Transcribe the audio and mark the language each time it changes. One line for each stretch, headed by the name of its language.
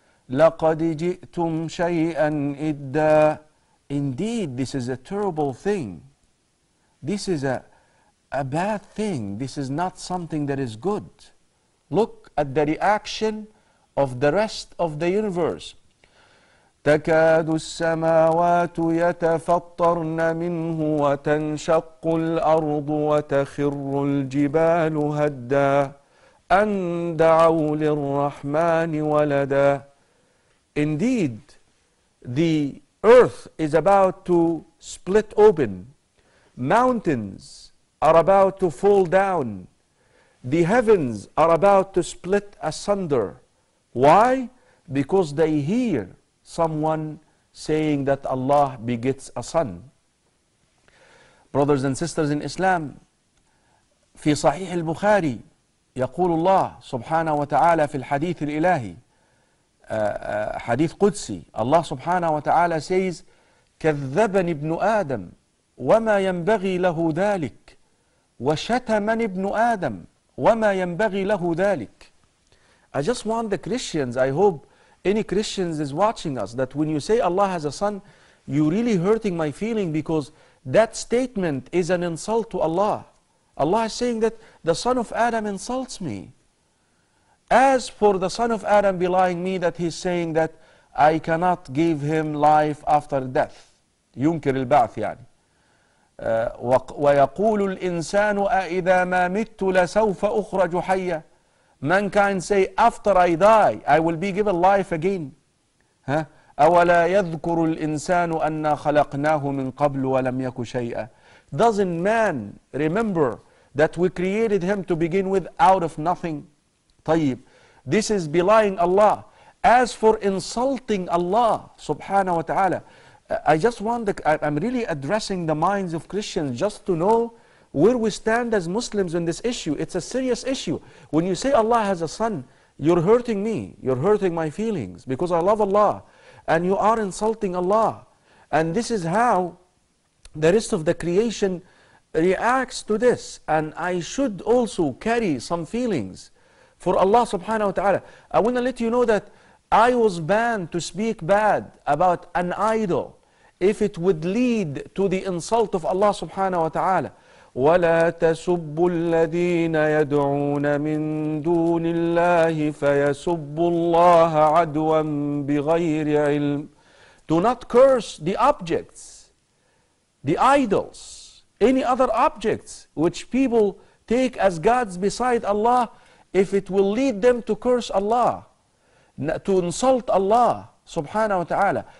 Arabic: لَقَدْ جِئْتُمْ شَيْئًا إِدَّا.
English: Indeed, this is a terrible thing. This is a bad thing. This is not something that is good. Look at the reaction of the rest of the universe.
Arabic: تكاد السماوات يتفطرن منه وتنشق الأرض وتخر الجبال هدا أن دعوا للرحمن ولدا.
English: Indeed, the earth is about to split open. Mountains are about to fall down. The heavens are about to split asunder. Why? Because they hear someone saying that Allah begets a son. Brothers and sisters in Islam,
Arabic: في صحيح البخاري يقول الله سبحانه وتعالى في الحديث الإلهي حديث قدسي, الله سبحانه وتعالى says, كذبني ابن آدم وما ينبغي له ذلك وشتمني ابن آدم وما ينبغي له ذلك.
English: I just want the Christians, I hope any Christians is watching us, that when you say Allah has a son, you're really hurting my feeling, because that statement is an insult to Allah. Allah is saying that the son of Adam insults me. As for the son of Adam belying me, that he's saying that I cannot give him life after death.
Arabic: ينكر البعث يعني. ويقول الإنسان أإذا ما مت لسوف أخرج حيا.
English: Mankind say, after I die, I will be given life again.
Arabic: أولا يذكر الإنسان أنا خلقناه من قبل ولم يك شيئا.
English: Doesn't man remember that we created him to begin with out of nothing? طيب, this is belying Allah. As for insulting Allah subhanahu wa ta'ala, I'm really addressing the minds of Christians just to know where we stand as Muslims on this issue. It's a serious issue. When you say Allah has a son, you're hurting me. You're hurting my feelings because I love Allah. And you are insulting Allah. And this is how the rest of the creation reacts to this. And I should also carry some feelings for Allah subhanahu wa ta'ala. I want to let you know that I was banned to speak bad about an idol if it would lead to the insult of Allah subhanahu wa ta'ala.
Arabic: ولا تسبوا الذين يدعون من دون الله فيسبوا الله عدوا بغير علم.
English: Do not curse the objects, the idols, any other objects which people take as gods beside Allah, if it will lead them to curse Allah, to insult Allah subhanahu wa ta'ala.